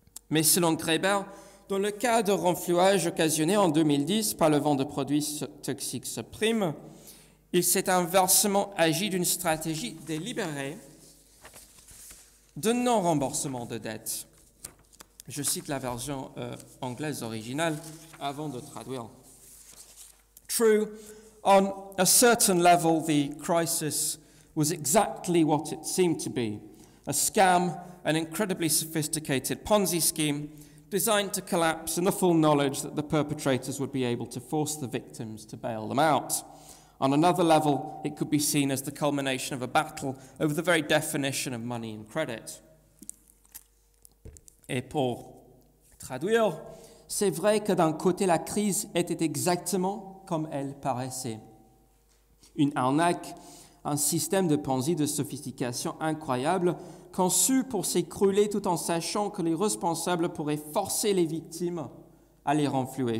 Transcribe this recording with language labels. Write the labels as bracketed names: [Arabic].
[French] Mais selon Graeber, dans le cas de renflouage occasionné en 2010 par le vent de produits toxiques subprime, il s'est inversement agi d'une stratégie délibérée de non-remboursement de dette. Je cite la version anglaise originale avant de traduire. [English] True, on a certain level, the crisis was exactly what it seemed to be. A scam, an incredibly sophisticated Ponzi scheme designed to collapse in the full knowledge that the perpetrators would be able to force the victims to bail them out. On another level, it could be seen as the culmination of a battle over the very definition of money and credit. [French] Et pour traduire, c'est vrai que d'un côté, la crise était exactement comme elle paraissait. Une arnaque, un système de pensée de sophistication incroyable conçu pour s'écrouler tout en sachant que les responsables pourraient forcer les victimes à les renflouer.